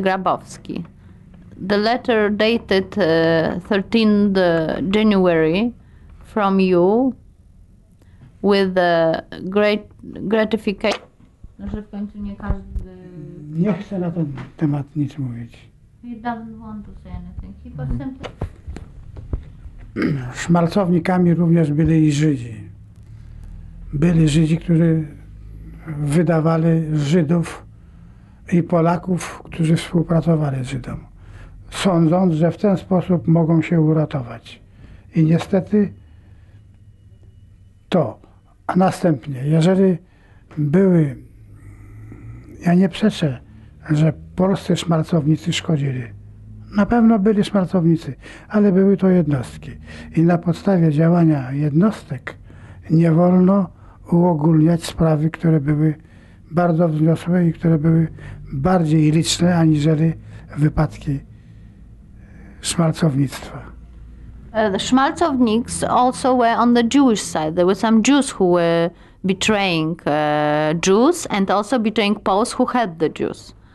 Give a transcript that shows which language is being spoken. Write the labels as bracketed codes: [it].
[en] Grabowski, the letter dated 13th January from you with the great gratification. [pl] No, że w końcu nie każdy... Nie chce na ten temat nic mówić. [en] He doesn't want to say anything. He was simply... [pl] Szmalcownikami również byli i Żydzi. Byli Żydzi, którzy wydawali Żydów i Polaków, którzy współpracowali z Żydem, sądząc, że w ten sposób mogą się uratować. I niestety to. A następnie, jeżeli były... Ja nie przeczę, że polscy szmalcownicy szkodzili. Na pewno byli szmalcownicy, ale były to jednostki. I na podstawie działania jednostek nie wolno uogólniać sprawy, które były bardzo wzniosłe i które były bardziej liczne, aniżeli wypadki szmalcownictwa. [en] The Schmalzowniks also were on the Jewish side. There were some Jews who were betraying Jews and also betraying Poles who helped the Jews.